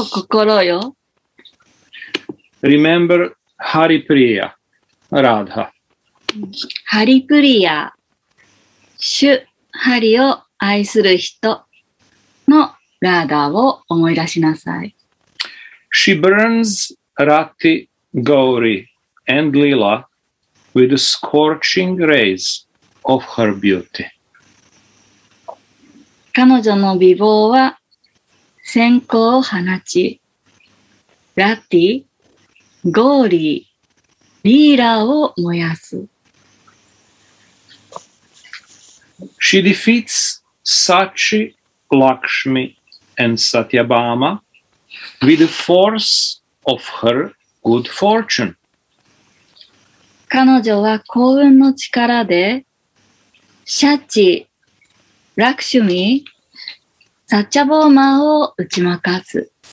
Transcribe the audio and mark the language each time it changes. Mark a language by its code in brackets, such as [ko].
[ja] お心よ。 [en] Remember ハリプリア、ラーダハ。 [ja] ハリプリア、主、ハリを愛する人のラーダを思い出しなさい。 [en] She burns Rati, Gauri and Lila with scorching rays. Of her beauty. [ja] 彼女の美貌は閃光を放ち、ラティ、ゴーリー、リーラを燃やす。 [en] She defeats Sachi, Lakshmi and Satyabhama with the force of her good fortune. [ja] 彼女は幸運の力でシャチ、ラクシュミ、サッチャボーマーを打ち負かす。